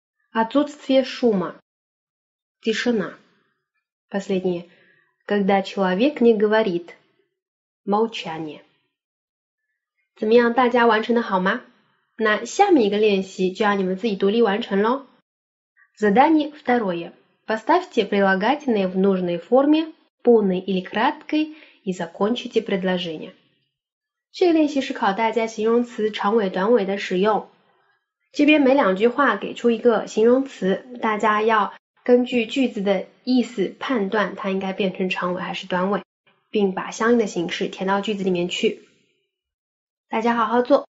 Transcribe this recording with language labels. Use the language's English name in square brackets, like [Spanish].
[Russian] Отсутствие шума, тишина. Последнее, когда человек не говорит, молчание. [Chinese] 怎么样，大家完成的好吗？那下面一个练习就让你们自己独立完成咯。 [Russian] Задание второе. Поставьте прилагательные в нужной форме, полной или краткой, и закончите предложение. [Chinese] 这个练习是考大家形容词长尾短尾的使用。这边每两句话给出一个形容词，大家要根据句子的意思判断它应该变成长尾还是短尾，并把相应的形式填到句子里面去。大家好好做。